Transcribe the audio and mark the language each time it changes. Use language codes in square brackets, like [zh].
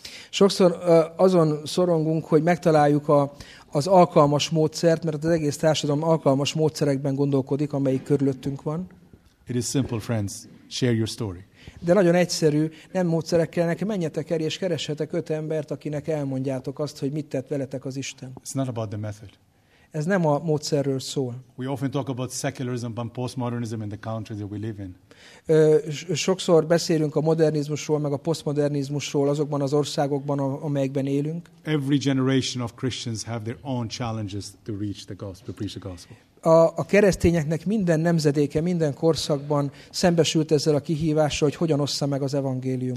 [hu] Sokszor azon szorongunk, hogy megtaláljuk az alkalmas módszert, mert az egész társadalom alkalmas módszerekben gondolkodik, amelyik körülöttünk van. [en] It is simple, friends. Share your story. [hu] De nagyon egyszerű, nem módszerekkel, nekem menjetek el, és keressetek öt embert, akinek elmondjátok azt, hogy mit tett veletek az Isten. [en] It's not about the method. [hu] Ez nem a módszerről szól. [en] We often talk about secularism and postmodernism in the countries that we live in. [hu] Sokszor beszélünk a modernizmusról, meg a postmodernizmusról azokban az országokban, amelyekben élünk. [en] Every generation of Christians have their own challenges to reach the gospel, preach the gospel. [hu] A keresztényeknek minden nemzedéke, minden korszakban szembesült ezzel a kihívással, hogy hogyan ossza meg az evangéliumot.